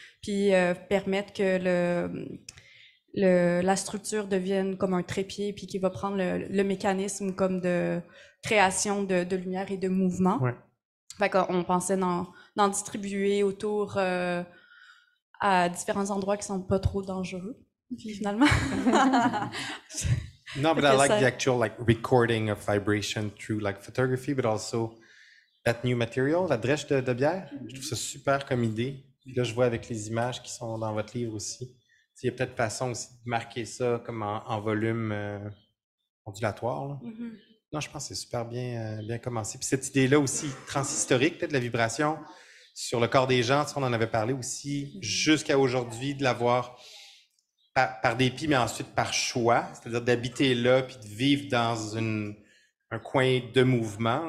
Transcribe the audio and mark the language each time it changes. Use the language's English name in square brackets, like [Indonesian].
[French] Puis permettre que la structure devienne comme un trépied, puis qu'il va prendre le mécanisme comme de création de lumière et de mouvement. Ouais. Fait qu'on pensait d'en distribuer autour à différents endroits qui sont pas trop dangereux, finalement. Non, mais [English] I like the actual like recording of vibration through like photography, but also that new material, [French] la drèche de bière. Mm-hmm. Je trouve ça super comme idée. Puis là, je vois avec les images qui sont dans votre livre aussi. Il y a peut-être façon aussi de marquer ça comme en volume ondulatoire. Là. Mm-hmm. Non, je pense que c'est super bien commencé. Puis cette idée-là aussi, transhistorique, peut-être la vibration sur le corps des gens, on en avait parlé aussi, jusqu'à aujourd'hui, de l'avoir par dépit, mais ensuite par choix, c'est-à-dire d'habiter là, puis de vivre dans un coin de mouvement.